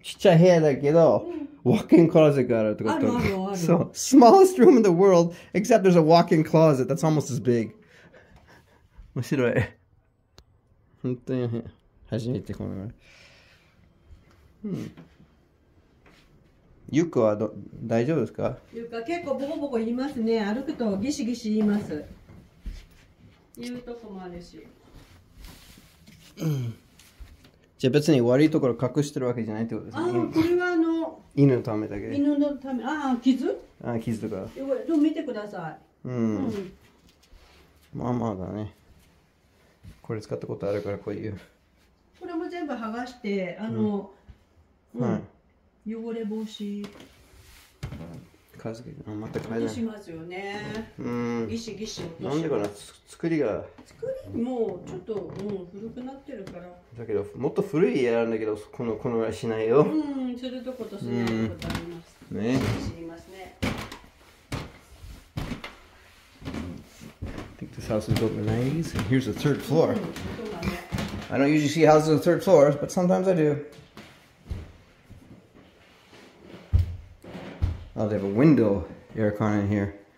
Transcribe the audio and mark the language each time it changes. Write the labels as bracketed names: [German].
[Japanese] ちっちゃい部屋だけど、ウォークインクローゼットがあるってこと。あるあるある。 [English] So, smallest room in the world, except there's a walk-in closet that's almost as big. [Japanese] 面白い。本当に初めてこの、ゆかは大丈夫ですか？ゆか結構ボコボコ言いますね。歩くとギシギシ言います。言うとこもあるし。じゃあ別に悪いところ隠してるわけじゃないってことですね。ああ、これはあの犬のためだけ。犬のため、ああ傷？ああ傷とか。でも見てください。まあまあだね。これ使ったことあるからこういう。これも全部剥がしてあの、はい、汚れ防止。風邪あまた風邪。しますよね。ギシギシ。なんでかな作りが。作りもちょっと、古くなってるから。だけどもっと古い家なんだけどこのぐらいしないよ。するとことしないことあります。ね。知りますね。 [English] I think this house was built in the 90s, and here's the third floor. I don't usually see houses on the third floor, but sometimes I do. Oh, they have a window aircon in here.